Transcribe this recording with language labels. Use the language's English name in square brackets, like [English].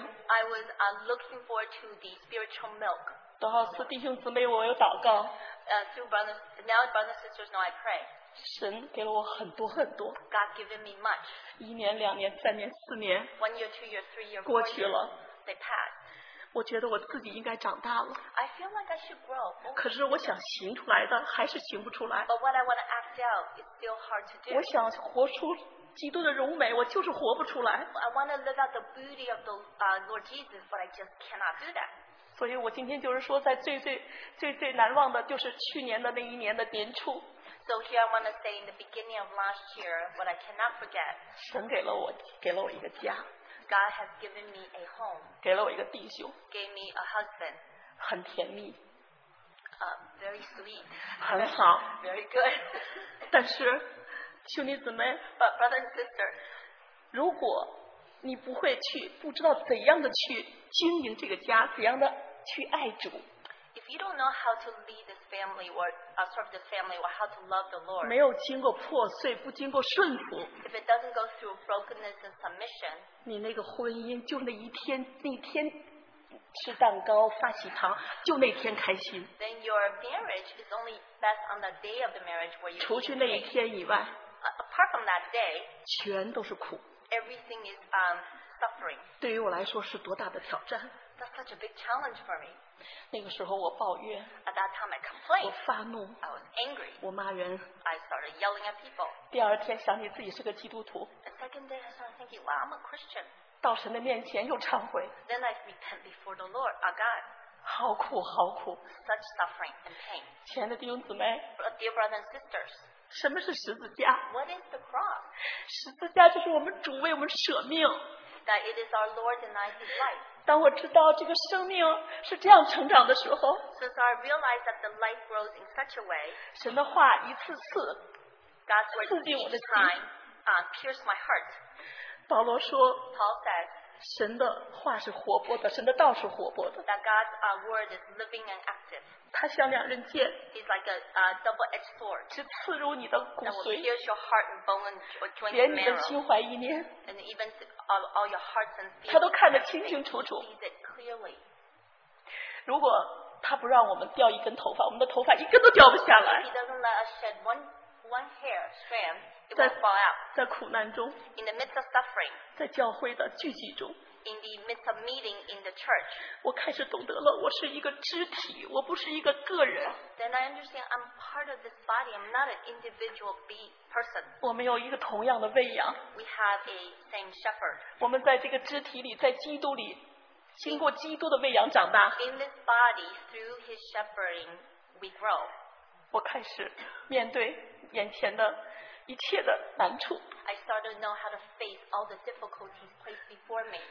[English] I was looking forward to the spiritual milk. [Chinese] 多少次弟兄姊妹，我有祷告。 [English] Now brothers and sisters know I pray. [Chinese] 神给了我很多很多。 [English] God given me much. [Chinese] 一年、两年、三年、四年。 [English] One year, 2 years, 3 years. [Chinese] 过去了。 [English] They passed. [Chinese] 我觉得我自己应该长大了。 [English] I feel like I should grow. [Chinese] 可是我想行出来的还是行不出来。 [English] But what I want to act out is still hard to do. [Chinese] 我想活出。基督的荣美，我就是活不出来。 [English] I want to live out the beauty of the Lord Jesus, but I just cannot do that. [Chinese] 所以我今天就是说，在最最最最难忘的，就是去年的那一年的年初。 [English] So here I want to say in the beginning of last year, what I cannot forget. [Chinese] 神给了我一个家。 [English] God has given me a home. [Chinese] 给了我一个弟兄。 [English] Gave me a husband. [Chinese] 很甜蜜。 [English] Very sweet. [Chinese] 很好。 [English] Very good. [Chinese] 但是。兄弟姊妹 [English] But brother and sister, [Chinese] 如果你不会去不知道怎样的去经营这个家怎样的去爱主 [English] If you don't know how to lead this family or serve this family or how to love the Lord [Chinese] 没有经过破碎不经过顺服 [English] If it doesn't go through brokenness and submission [Chinese] 你那个婚姻就那一天那天吃蛋糕发喜糖就那天开心 [English] Then your marriage is only best on the day of the marriage where you [Chinese] 除去那一天以外 [English] Apart from that day, [Chinese] 全都是苦。 [English] Everything is suffering. [Chinese] 对于我来说是多大的挑战。 [English] That's such a big challenge for me. [Chinese] 那个时候我抱怨。 [English] At that time I complained. [Chinese] 我发怒。 [English] I was angry. [Chinese] 我骂人。 [English] I started yelling at people. [Chinese] 第二天想起自己是个基督徒。 [English] The second day I started thinking, well, I'm a Christian. [Chinese] 到神的面前又忏悔。 [English] Then I repent before the Lord, our God. [Chinese] 好苦，好苦。 [English] Such suffering and pain. [Chinese] 亲爱的弟兄姊妹。 [English] Dear brothers and sisters. [Chinese] 什么是十字架 [English] What is the cross? [Chinese] 十字架就是我们主为我们舍命 [English] That it is our Lord and I his life [Chinese] 当我知道这个生命是这样成长的时候 [English] Since I realize that the life grows in such a way [Chinese] 神的话一次次 [English] God's word each time pierce my heart [Chinese] 保罗说 [English] Paul says [Chinese] 神的话是活泼的，神的道是活泼的。 [English] That God's word is living and active. [Chinese] 它像两刃剑。 [English] It's like a double-edged sword. [Chinese] 是刺入你的骨髓。 [English] That will pierce your heart and bone and joint marrow. [Chinese] 连你的心怀意念。 [English] And even all your heart and feelings. [Chinese] 他都看得清清楚楚。 [English] He sees it clearly. [Chinese] 如果他不让我们掉一根头发，我们的头发一根都掉不下来。 [English] He doesn't let us shed one hair strand. It will fall out. [Chinese] 在苦难中。 [English] In the midst of suffering. [Chinese] 在教会的聚集中。 [English] In the midst of meeting in the church. [Chinese] 我开始懂得了，我是一个肢体，我不是一个个人。 [English] Then I understand I'm part of this body. I'm not an individual person. [Chinese] 我们有一个同样的喂养。 [English] We have a same shepherd. [Chinese] 我们在这个肢体里，在基督里。经过基督的喂养长大。 [English] In this body, through his shepherding, we grow. [Chinese] 我开始面对眼前的一切的难处。 [English] I started to know how to face all the difficulties placed before me.